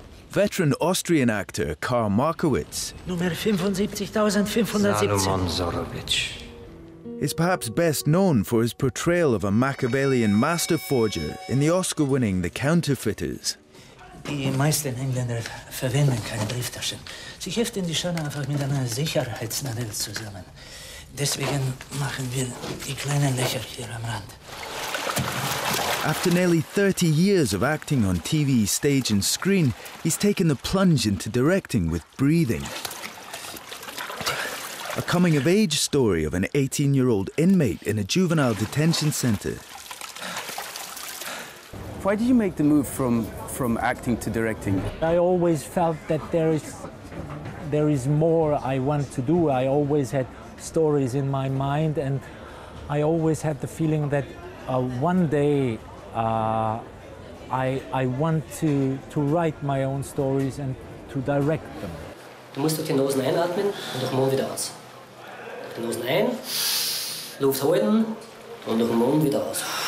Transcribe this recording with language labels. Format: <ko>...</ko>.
<en>Veteran Austrian actor Karl Markowitz,</en> <de>Nummer 75,570, Salomon Zorovich,</de> <en>is perhaps best known for his portrayal of a Machiavellian master forger in the Oscar-winning The Counterfeiters.</en> <de>Die meisten Engländer verwenden keine Brieftaschen. Sie heften die Scheine einfach mit einer Sicherheitsnadel zusammen. Deswegen machen wir die kleinen Löcher hier am Rand.</de> <en>After nearly 30 years of acting on TV, stage and screen, he's taken the plunge into directing with Breathing. A coming-of-age story of an 18-year-old inmate in a juvenile detention center. Why did you make the move from acting to directing? I always felt that there is more I want to do. I always had stories in my mind, and I always had the feeling that one day I want to write my own stories and to direct them.</en> <de>Du musst durch die Nosen einatmen und durch den Mund wieder aus. Durch die Nosen ein, Luft halten und durch den Mund wieder aus.</de>